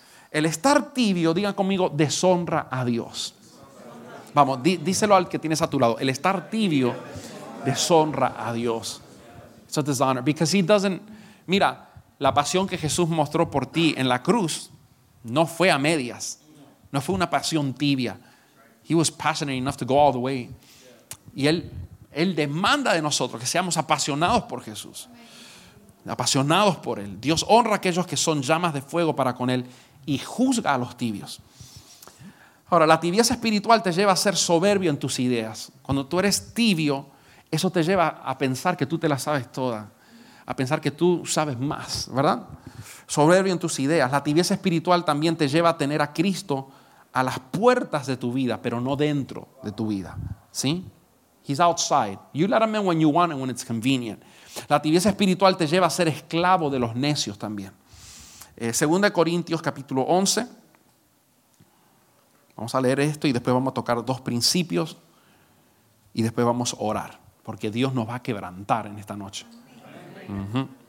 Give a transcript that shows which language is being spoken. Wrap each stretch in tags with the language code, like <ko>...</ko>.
<es>El estar tibio, digan conmigo, deshonra a Dios. Vamos, díselo al que tienes a tu lado. El estar tibio deshonra a Dios.</es> <en>It's a dishonor. Because he doesn't...</en> <es>Mira, la pasión que Jesús mostró por ti en la cruz no fue a medias. No fue una pasión tibia.</es> <en>He was passionate enough to go all the way.</en> <es>Y él demanda de nosotros que seamos apasionados por Jesús. Apasionados por Él. Dios honra a aquellos que son llamas de fuego para con Él. Y juzga a los tibios. Ahora, la tibieza espiritual te lleva a ser soberbio en tus ideas. Cuando tú eres tibio, eso te lleva a pensar que tú te la sabes toda. A pensar que tú sabes más, ¿verdad? Soberbio en tus ideas. La tibieza espiritual también te lleva a tener a Cristo a las puertas de tu vida, pero no dentro de tu vida. ¿Sí?</es> <en>He's outside. You let him in when you want and when it's convenient.</en> <es>La tibieza espiritual te lleva a ser esclavo de los necios también. 2 Corintios capítulo 11. Vamos a leer esto y después vamos a tocar dos principios y después vamos a orar porque Dios nos va a quebrantar en esta noche. Uh-huh.</es>